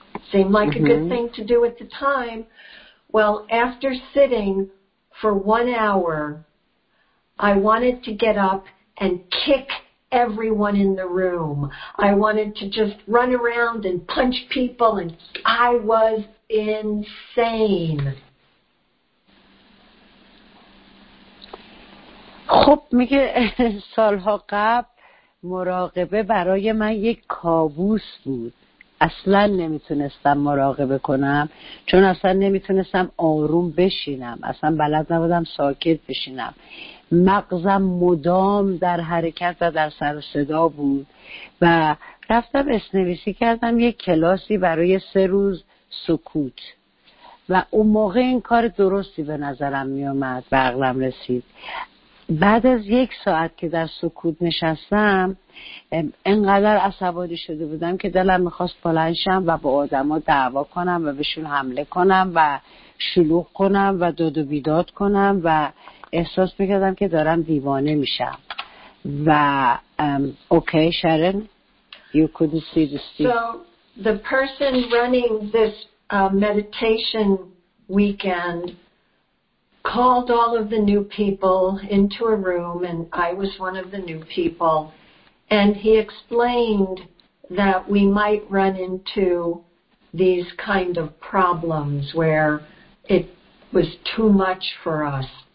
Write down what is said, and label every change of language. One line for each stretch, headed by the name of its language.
English: Seemed like a good thing to do at the time. Well, after sitting for 1 hour, I wanted to get up and kick everyone in the room. I wanted to just run around and punch people, and I was insane.
Persian: خب میگه سالها قبل مراقبه برای من یک کابوس بود. اصلا نمیتونستم مراقبه کنم، چون اصلا نمیتونستم آروم بشینم، اصلا بلد نبودم ساکت بشینم. مغزم مدام در حرکت و در سر و صدا بود. و رفتم اسنویسی کردم یک کلاسی برای 3 روز سکوت، و اون موقع این کار درستی به نظرم میامد و عقلم رسید. بعد از 1 ساعت که در سکوت نشستم، انقدر عصبانی شده بودم که دلم میخواست بلند شم و با آدم ها دعوا کنم و بهشون حمله کنم و شلوغ کنم و داد و بیداد کنم و احساس میکردم که دارم دیوانه میشم. و اوکی شرن،
English: you couldn't see the speech. So the person running this meditation weekend called all of the new people into a room, and I was one of the new people, and he explained that we might run into these kind of problems where it was too much for us.